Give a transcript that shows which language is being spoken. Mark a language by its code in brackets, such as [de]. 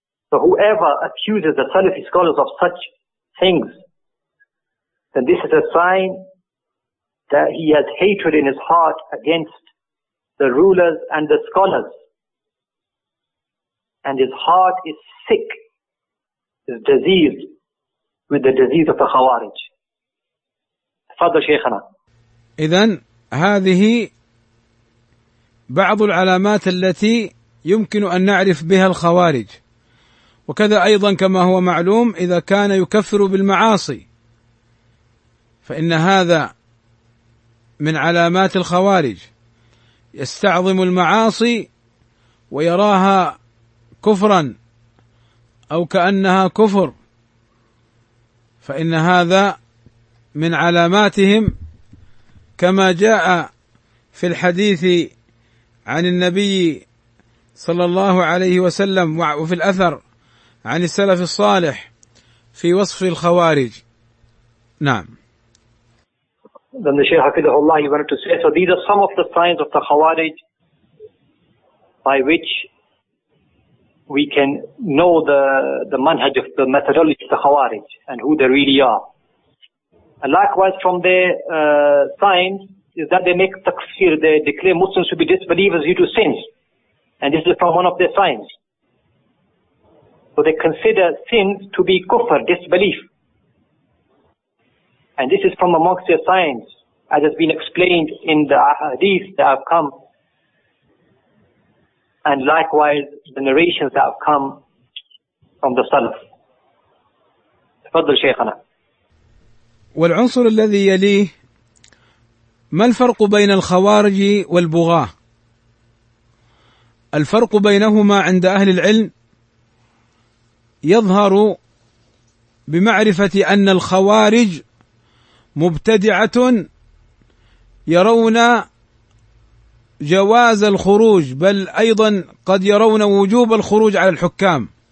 [en] So whoever accuses the Salafi scholars of such things, then this is a sign that he has hatred in his heart against the rulers and the scholars. And his heart is sick, is diseased with the disease of the Khawarij. [ar] Father Shaykhana. إذن هذه بعض العلامات التي يمكن أن نعرف بها الخوارج، وكذا أيضا كما هو معلوم إذا كان يكفر بالمعاصي فإن هذا من علامات الخوارج، يستعظم المعاصي ويراها كفرا أو كأنها كفر، فإن هذا من علاماتهم، كما جاء في الحديث عن النبي صلى الله عليه وسلم وفي الأثر عن السلف الصالح في وصف الخوارج. نعم. [en] Then the Shaykh Hafidhullah, he wanted to say, so these are some of the signs of the Khawarij by which we can know the manhaj of the methodology of the Khawarij and who they really are. And likewise from their signs is that they make takfir, they declare Muslims to be disbelievers due to sins. And this is from one of their signs. So they consider sins to be kufr, disbelief. And this is from amongst their signs, as has been explained in the hadith that have come, and likewise the narrations that have come from the Salaf. [ar] Tafadhal Shaykhana. والعنصر الذي يليه، ما الفرق بين الخوارج والبغاة؟ الفرق بينهما عند أهل العلم يظهر بمعرفة أن الخوارج مبتدعة يرون جواز الخروج، بل أيضا قد يرون وجوب الخروج على الحكام